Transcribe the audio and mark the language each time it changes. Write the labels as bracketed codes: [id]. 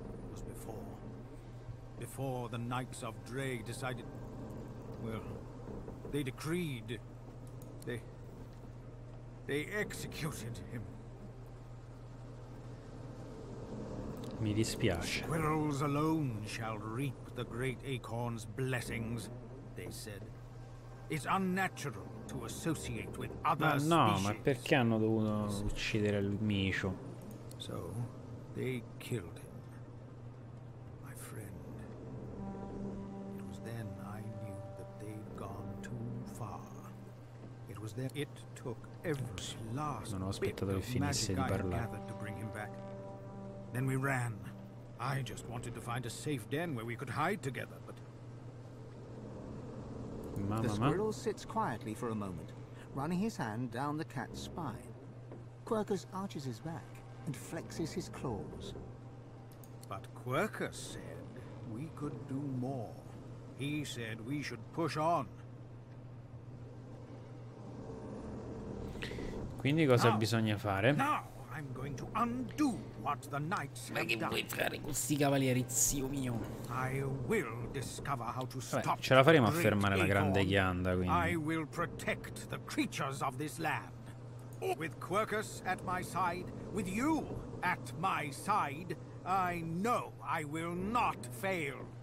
[en] Was before the Knights of Dre decided, well, they decreed, they executed him. [it] Mi dispiace. [en] Squirrels alone shall reap the great acorn's blessings, they said. It's unnatural to associate with other species. [it] No, ma perché hanno dovuto uccidere il micio? [en] So they killed him. My friend. It was then I knew that they'd gone too far. It was then it took every last. [it] Non ho aspettato che finisse di parlare. [en] Then we ran. I just wanted to find a safe den where we could hide together, but... The squirrel sits quietly for a moment, running his hand down the cat's spine. Quercus arches his back and flexes his claws. But Quercus said we could do more. He said we should push on. [it] Quindi cosa bisogna fare? [en] I'm going to undo what the knights have done. [it] Ma che vuoi fare con sti cavalieri, zio mio? [en] I will discover how to stop. [it] Ce la faremo a fermare la grande ghianda, quindi. [en] I will protect the creatures of this land. With Quercus at my side, with you at my side, I know I will not fail.